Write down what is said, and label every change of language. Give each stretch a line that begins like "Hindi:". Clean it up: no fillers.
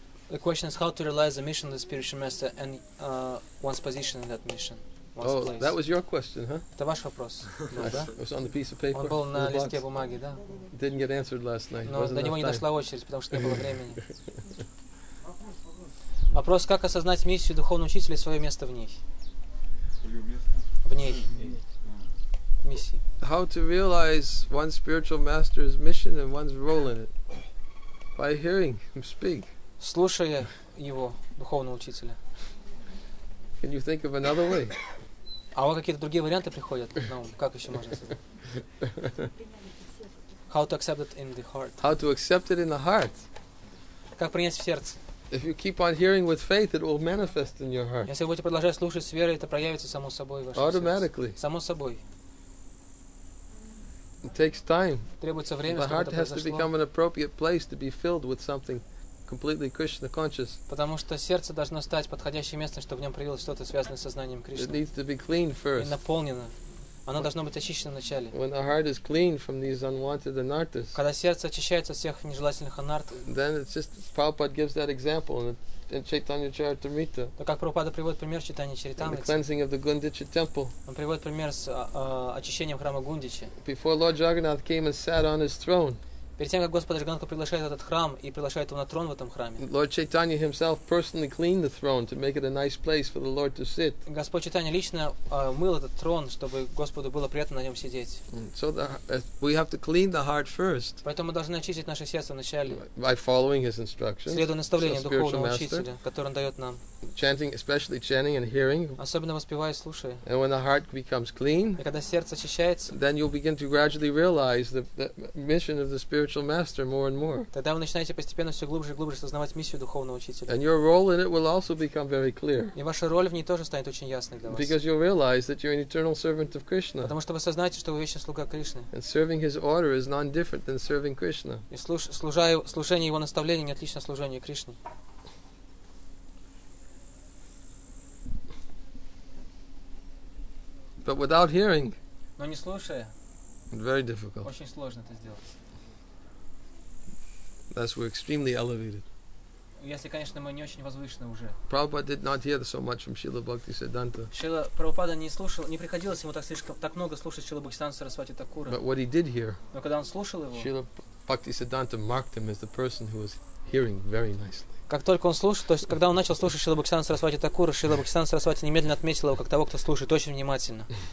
English: The question is how to realize the mission of the spiritual master and one's position in that mission, one's oh, place. Oh, that was your question, huh?
Russian: Это ваш вопрос.
English: It was on the piece of paper.
Russian: Он был на листке бумаги, да?
English: Didn't get answered last night.
Russian: Но до него не дошла очередь, потому что не было времени. Вопрос, как осознать миссию духовного учителя и свое место в ней? В ней. Миссии.
English: How to realize one's spiritual master's mission and one's role in it? By hearing him speak.
Russian: Слушая его, духовного учителя.
English: Can you think of another way?
Russian: А вот какие-то другие варианты приходят на ум? Как еще можно?
English: How to accept it in the heart? How to accept it in the heart?
Russian: Как принять в сердце?
English: If you keep on hearing with faith, it will manifest in your heart.
Russian: Если вы будете продолжать слушать с верой, это проявится само собой в вашем сердце.
English: Automatically.
Russian: Само собой.
English: It takes time.
Russian: Требуется время, чтобы это произошло.
English: The heart has to become an appropriate place to be filled with something. Completely Krishna conscious.
Russian: Потому что сердце должно стать подходящим местом, чтобы в нем проявилось что-то связанное с сознанием Кришны.
English: It needs to be clean first.
Russian: И наполнено. Оно должно быть очищено вначале.
English: When the heart is clean from these unwanted anarthas.
Russian: Когда сердце очищается от всех нежелательных анарт.
English: Then it's just Prabhupada gives that example in Chaitanya Charitamrita.
Russian: То как Прабхупада приводит пример Чайтанья Чаритамриты.
English: The cleansing of the Гундича temple.
Russian: Он приводит пример с очищением храма Гундичи.
English: Before Lord Jagannath came and sat on his throne.
Russian: Перед тем, как Господь Джаганатха приглашает этот храм и приглашает его на трон в этом храме.
English: Lord Chaitanya himself personally cleaned the throne to make it a nice place for the Lord to sit.
Russian: Господь Чайтанья лично мыл этот трон, чтобы Господу было приятно на нем сидеть.
English: So we have to clean the heart first.
Russian: Поэтому мы должны очистить наше сердце вначале.
English: By following his instructions.
Russian: Следуя наставлениям духовного учителя, который он дает нам.
English: Chanting, especially chanting and hearing.
Russian: Особенно воспевая и слушая.
English: And when the heart becomes clean.
Russian: И когда сердце очищается.
English: Then you'll begin to gradually realize the mission of the spirit. Spiritual master more and more.
Russian: Тогда вы начинаете постепенно все глубже и глубже осознавать миссию духовного учителя.
English: And your role in it will also become very clear.
Russian: И ваша роль в ней тоже станет очень ясной для вас.
English: Because you'll realize that you're an eternal servant of Krishna.
Russian: Потому что вы осознаете, что вы вечный слуга Кришны.
English: And serving His order is none different than serving Krishna.
Russian: И служение Его наставлений не отлично служению Кришне.
English: But without hearing.
Russian: Но не слушая.
English: Very difficult.
Russian: Очень сложно это сделать.
English: Thus we're extremely elevated.
Russian: Если, конечно, мы не очень возвышены уже.
English: Prabhupada did not hear so much from Srila Bhaktisiddhanta.
Russian: Шрила Прабхупада не слушал, не приходилось ему так слишком так много слушать Шрила Бхактисиддханта Сарасвати Такура.
English: But what he did hear.
Russian: Но когда он слушал его.
English: Шрила Бхактисиддханта marked him as the person who was hearing very nicely.
Russian: Как только он слушал, то есть когда он начал слушать Шрила Бхактисиддханта Сарасвати Такура, Шрила Бхактисиддханта Сарасвати немедленно отметил его как того, кто слушает очень внимательно.